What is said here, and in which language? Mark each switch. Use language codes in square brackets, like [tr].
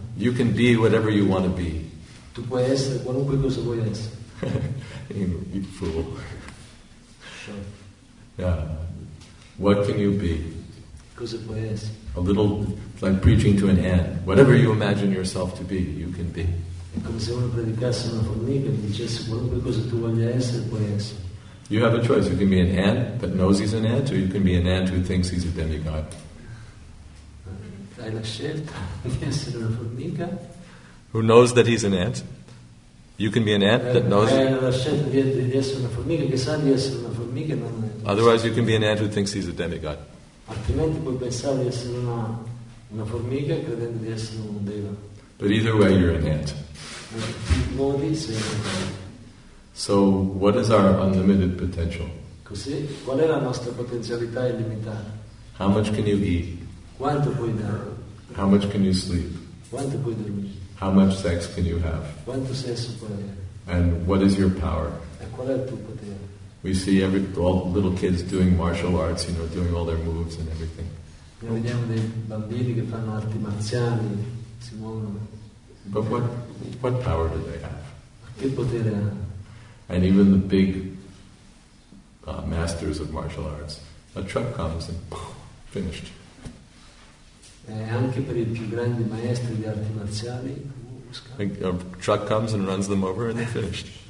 [en] You can be whatever you want to be. [it] Tu puoi essere qualunque cosa vuoi essere. [en] You fool. Yeah. What can you be? [it] Cosa puoi essere? [en] A little, it's like preaching to an ant. Whatever you imagine yourself to be, you can be. [it] È come se uno predicasse una formica e dicesse qualunque cosa tu voglia essere, puoi essere. [en] You have a choice. You can be an ant that knows he's an ant, or you can be an ant who thinks he's a demigod. [it] Hai la scelta di essere una formica. [en] Who knows that he's an ant? You can be an ant that knows. [it] Hai la scelta di essere una formica che sa di essere una formica, non è. [en] Otherwise, you can be an ant who thinks he's a demigod. [it] Altrimenti puoi pensare di essere una formica credendo di essere un deva. [en] But either way, you're an ant. [it] Modi sei un ant. [en] So, what is our unlimited potential? [it] Così, qual è la nostra potenzialità illimitata? [en] How much can you eat? [it] Quanto puoi dare? [en] How much can you sleep? [it] Quanto puoi dormire? [en] How much sex can you have? [it] Quanto sesso puoi avere? [en] And what is your power? [it] E qual è il tuo potere? [en] We see all little kids doing martial arts, you know, doing all their moves and everything. [it] Noi vediamo dei bambini che fanno arti marziali, si muovono. [en] But what power do they have? [it] Che potere hanno? [en] And even the big masters of martial arts, a truck comes and finished. [it] Anche per i più grandi maestri di arti marziali, [en] a truck comes and runs them over and they're finished.